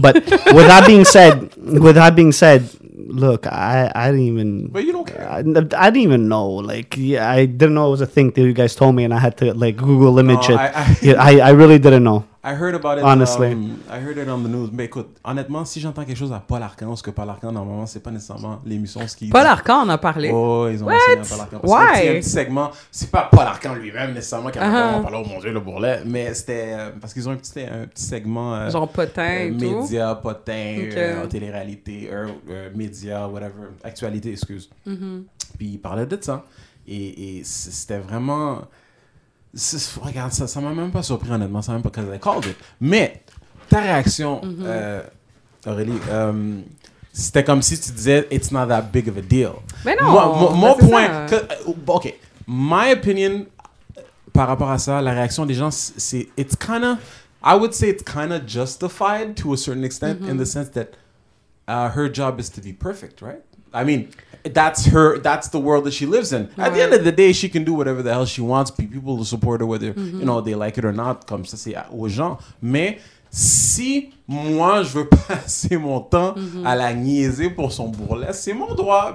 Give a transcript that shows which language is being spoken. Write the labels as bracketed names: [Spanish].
[English] But with that being said, look, I didn't even... But you don't care. I didn't even know. Like, yeah, I didn't know it was a thing till you guys told me and I had to, like, Google image it. I really didn't know. I heard about it. Honestly. I heard it on the news. [French] Mais écoute, honnêtement, si j'entends quelque chose à Paul Arcand, parce que Paul Arcand, normalement, c'est pas nécessairement l'émission ce qu'il dit. Paul Arcand en a parlé. Oh, ils ont mentionné à Paul Arcand. Parce qu'il y a un petit segment. C'est pas Paul Arcand lui-même, nécessairement, qui a vraiment parlé au Mon Dieu, le bourrelet. Mais c'était parce qu'ils ont un petit segment. Genre potin et tout. Média, potin, télé-réalité, média, whatever. Actualité, excuse. Mm-hmm. Puis ils parlaient de ça. Et c'était vraiment... Regarde, ça m'a même pas surpris, honnêtement. Ça m'a même pas [English] called it. [French] Mais ta réaction, Aurélie, c'était comme si tu disais « [English] It's not that big of a deal ». [French] Mais non, mon point, [English] que, OK, my opinion [French] par rapport à ça, la réaction des gens, c'est [English] « It's kind of, I would say it's kind of justified to a certain extent mm-hmm. in the sense that her job is to be perfect, right? I mean... That's the world that she lives in. Right. At the end of the day, she can do whatever the hell she wants. People will support her whether, mm-hmm. you know, they like it or not. [French] Comme ça, c'est aux gens. Mais si moi, je veux passer mon temps mm-hmm. à la niaiser pour son bourrelet, c'est mon droit.